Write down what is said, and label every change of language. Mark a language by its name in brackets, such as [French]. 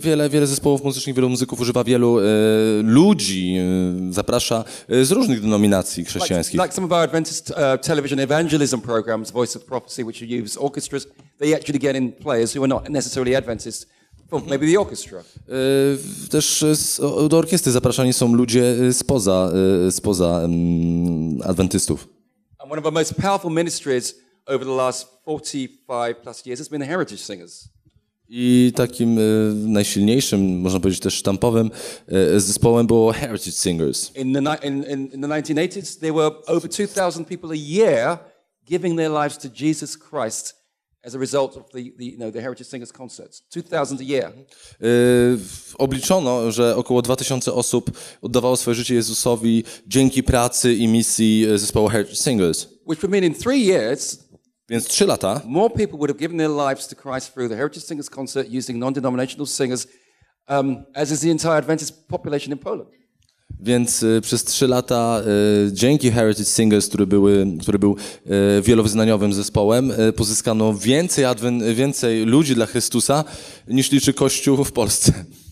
[Polish] Wiele zespołów muzycznych, wielu muzyków używa wielu ludzi, zaprasza z różnych denominacji chrześcijańskich. [English] Like some of our Adventist television evangelism programs, Voice of Prophecy, which use orchestras, they actually get in players who are not necessarily Adventists. Well, maybe the orchestra. [Polish] Też do orkiestry zapraszani są ludzie spoza Adwentystów. [English] And one of our most powerful ministries over the last 45 plus years has been the Heritage Singers. [Polish] I takim najsilniejszym, można powiedzieć też sztampowym, zespołem było Heritage Singers. [English] In the 1980s, there were over 2,000 people a year giving their lives to Jesus Christ as a result of the Heritage Singers concerts. 2,000 a year. [Polish] Obliczono, że około 2,000 osób oddawało swoje życie Jezusowi dzięki pracy i misji zespołu Heritage Singers. [English] Which would mean in 3 years, [Polish] więc 3 lata. [English] More people would have given their lives to Christ through the Heritage Singers concert using non-denominational singers, as is the entire Adventist population in Poland. [Polish] Więc przez 3 lata dzięki Heritage Singers, który był wielowyznaniowym zespołem, pozyskano więcej ludzi dla Chrystusa niż liczy Kościół w Polsce.